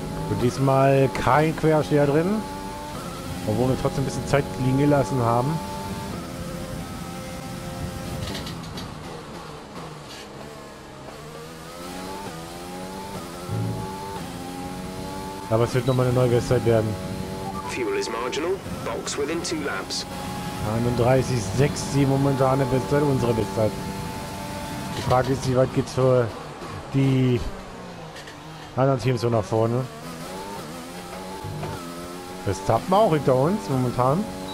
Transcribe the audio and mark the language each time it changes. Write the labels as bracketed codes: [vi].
[de] Und diesmal kein Quersteher drin. Obwohl wir trotzdem ein bisschen Zeit liegen gelassen haben. Aber es wird nochmal eine neue Bestzeit werden. [en] Fuel is marginal, box within two laps. [de] 31,6 ist die momentane Bestzeit, unsere Bestzeit. Die Frage ist, wie weit geht's für die anderen Teams so nach vorne? Das tappen wir auch hinter uns momentan.